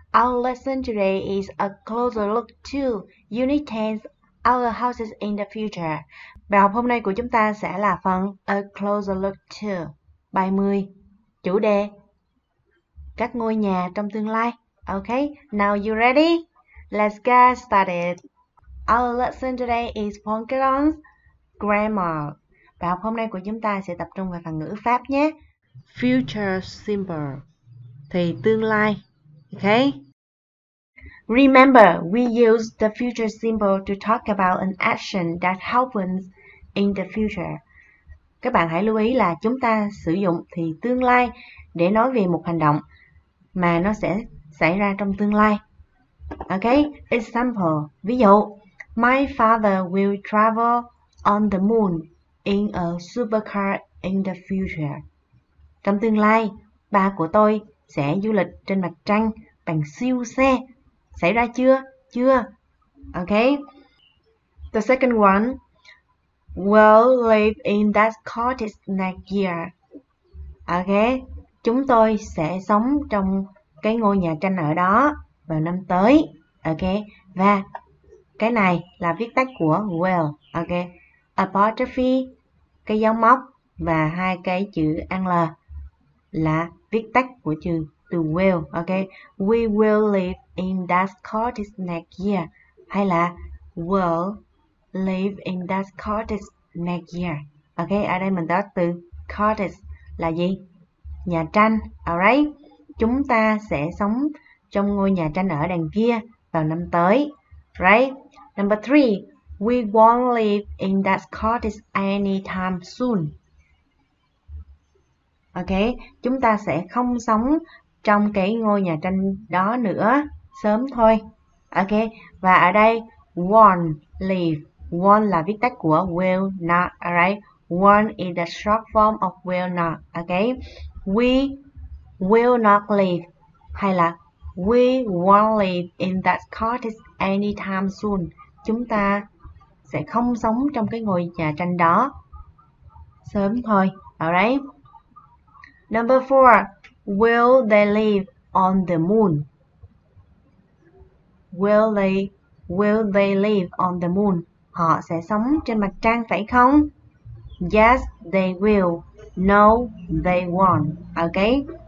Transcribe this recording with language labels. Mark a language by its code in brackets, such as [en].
[en] Our lesson today is a closer look to Unit 10, Our Houses in the Future. [vi] Bài học hôm nay của chúng ta sẽ là phần A Closer Look To, bài 10, chủ đề các ngôi nhà trong tương lai. [en] Okay, now you ready? Let's get started. Our lesson today is focused on grammar. [vi] Bài học hôm nay của chúng ta sẽ tập trung vào phần ngữ pháp nhé. Future simple thì tương lai. Okay. [en] Remember, we use the future simple to talk about an action that happens in the future. [vi] Các bạn hãy lưu ý là chúng ta sử dụng thì tương lai để nói về một hành động mà nó sẽ xảy ra trong tương lai. [en] Okay, example. [vi] Ví dụ, [en] my father will travel on the moon in a supercar in the future. [vi] Trong tương lai, ba của tôi sẽ du lịch trên mặt trăng bằng siêu xe. Xảy ra chưa? Chưa. Okay. [en] The second one, we'll live in that cottage next year. Okay. [vi] Chúng tôi sẽ sống trong cái ngôi nhà tranh ở đó vào năm tới. Okay. Và cái này là viết tắt của will. Okay. Apostrophe, cái dấu móc và hai cái chữ l là viết tắt của chữ từ will. [en] Okay, we will live in that cottage next year. Hay là will live in that cottage next year. [vi] Okay, ở đây mình đọc từ cottage là gì? Nhà tranh. Alright, chúng ta sẽ sống trong ngôi nhà tranh ở đằng kia vào năm tới. [en] Right. Number three, we won't live in that cottage anytime soon. [vi] Okay, chúng ta sẽ không sống trong cái ngôi nhà tranh đó nữa, sớm thôi. Okay, và ở đây won't live, won't là viết tắt của will not, alright? [en] Won't is the short form of will not. Okay, we will not live, hay là we won't live in that cottage anytime soon. [vi] Chúng ta sẽ không sống trong cái ngôi nhà tranh đó, sớm thôi. [en] Alright. Number four, will they live on the moon? Will they live on the moon? [vi] Họ sẽ sống trên mặt trăng phải không? [en] Yes, they will. No, they won't. Okay.